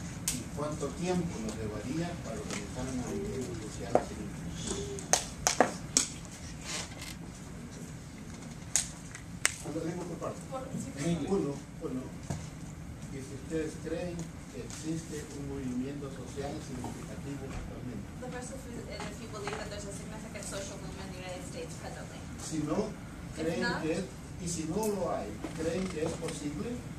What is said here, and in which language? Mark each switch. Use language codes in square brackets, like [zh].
[es] ¿Y cuánto tiempo nos llevaría para organizar un movimiento social así? Uno, y si ustedes creen que existe un movimiento social significativo actualmente. [en] The first is if you believe that there's a significant social movement in the United States presently. [es] Si no, creen [en] not, [es] que es, y si no lo hay, ¿creen que es posible?